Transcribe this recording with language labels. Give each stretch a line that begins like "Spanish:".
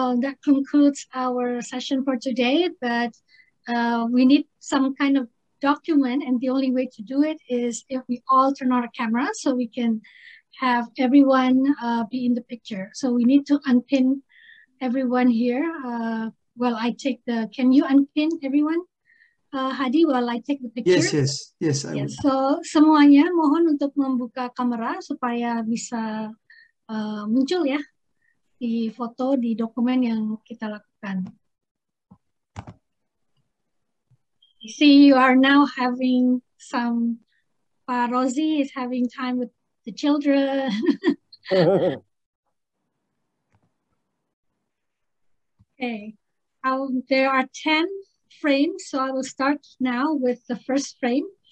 English: That concludes our session for today, but we need some kind of document, and the only way to do it is if we all turn on our camera so we can have everyone be in the picture. So we need to unpin everyone here. Can you unpin everyone, Hadi, while I take the picture? Yes.
Indonesian: So semuanya mohon untuk membuka kamera supaya bisa muncul ya di foto, di dokumen yang kita lakukan.
English: I see you are now having some, Pak Rozi is having time with the children. Okay. There are 10 frames, so I will start now with the first frame.